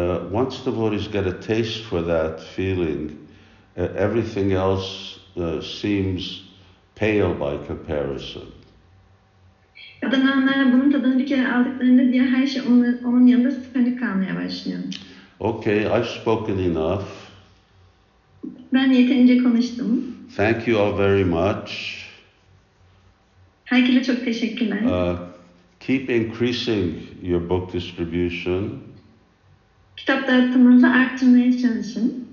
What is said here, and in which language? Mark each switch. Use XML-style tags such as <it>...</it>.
<en>Once devotees get a taste for that feeling, everything else seems pale by comparison.</en> <tr>Adamlar bunun tadını bir kere aldıklarında diğer her şey onun yanında sıfırlık kalmaya başlıyor.</tr> <en>Okay, I've spoken enough.</en> <tr>Ben yeterince konuştum.</tr> <en>Thank you all very much.</en> <tr>Herkese çok teşekkürler.</tr> <en>Keep increasing your book distribution.</en> <tr>Kitap dağıtımınızı arttırmaya çalışın.</tr>